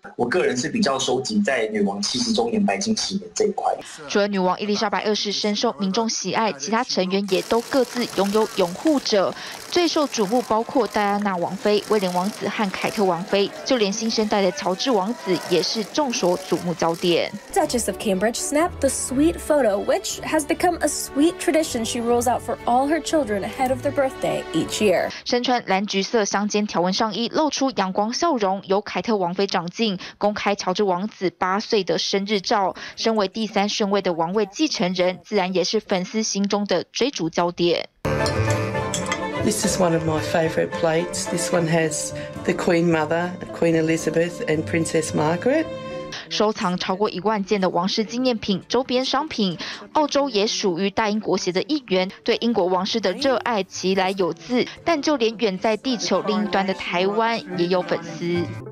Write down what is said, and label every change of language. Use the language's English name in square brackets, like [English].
[Chinese] 我个人是比较收集在女王70周年白金期的这一块。除了女王伊丽莎白二世深受民众喜爱，其他成员也都各自拥有拥护者。最受瞩目包括戴安娜王妃、威廉王子和凯特王妃，就连新生代的乔治王子也是众所瞩目焦点。 [English] Duchess of Cambridge snapped the sweet photo, which has become a sweet tradition she rolls out for all her children ahead of their birthday each year. [Chinese] 身穿蓝橘色相间条纹上衣，露出阳光笑容，由凯特王妃掌镜，公开乔治王子8岁的生日照。身为第三顺位的王位继承人，自然也是粉丝心中的追逐焦点。 [English] This is one of my favourite plates. This one has the Queen Mother, Queen Elizabeth, and Princess Margaret. [Chinese] 收藏超过10000件的王室纪念品、周边商品，澳洲也属于大英国协的一员，对英国王室的热爱其来有自。但就连远在地球另一端的台湾，也有粉丝。